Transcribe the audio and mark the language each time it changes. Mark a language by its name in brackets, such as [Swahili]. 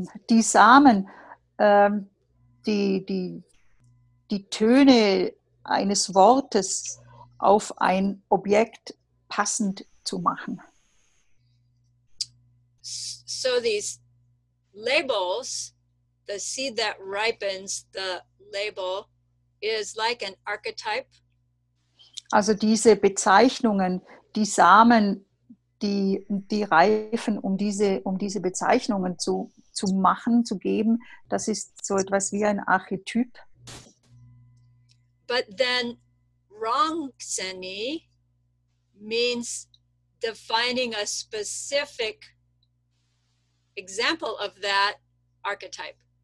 [German] Die Samen, die Töne eines Wortes auf ein Objekt passend zu machen. [English] So these labels, the seed that ripens the label, is like an archetype. [German] Also diese Bezeichnungen, die Samen, die reifen, um diese Bezeichnungen zu machen, zu geben, das ist so etwas wie ein Archetyp. [English] But then rongseni means defining a specific example of that archetype.